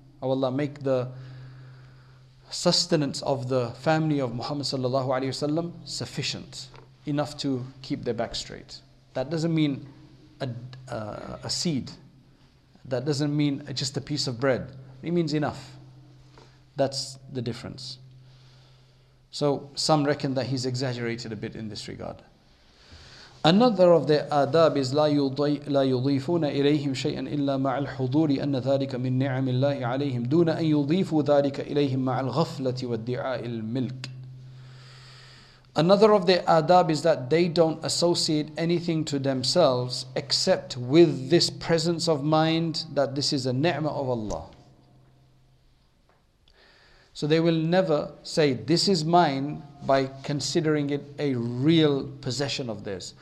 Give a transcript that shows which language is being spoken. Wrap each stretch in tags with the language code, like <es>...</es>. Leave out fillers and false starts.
<en>Oh Allah, make the sustenance of the family of Muhammad sallallahu alayhi wasallam sufficient, enough to keep their back straight. That doesn't mean a seed. That doesn't mean just a piece of bread. It means enough. That's the difference. So some reckon that he's exaggerated a bit in this regard. Another of the adab is</en> <ar>لَا يُضِيفُونَ إِلَيْهِمْ شَيْئًا إِلَّا مَعَ الْحُضُورِ أَنَّ ذَلِكَ مِنْ نِعَمِ اللَّهِ عَلَيْهِمْ دُونَ أَنْ يُضِيفُوا ذَلِكَ إِلَيْهِمْ مَعَ الْغَفْلَةِ وَالدِّعَاءِ الْمِلْكِ.</ar> <en>Another of the adab is that they don't associate anything to themselves except with this presence of mind that this is a ni'mah of Allah. So they will never say, this is mine, by considering it a real possession of theirs.</en>